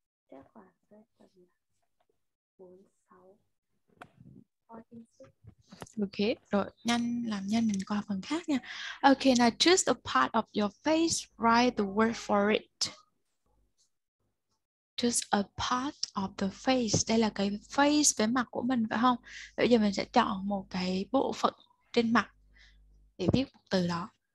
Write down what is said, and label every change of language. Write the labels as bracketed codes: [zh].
[vi] Chắc khoảng rất tầm 4-6. Ok, rồi nhanh, làm nhanh mình qua phần khác nha. [en] Ok, now choose a part of your face, write the word for it. Choose a part of the face. [vi] Đây là cái face, cái mặt của mình phải không? Bây giờ mình sẽ chọn một cái bộ phận trên mặt để viết một từ đó.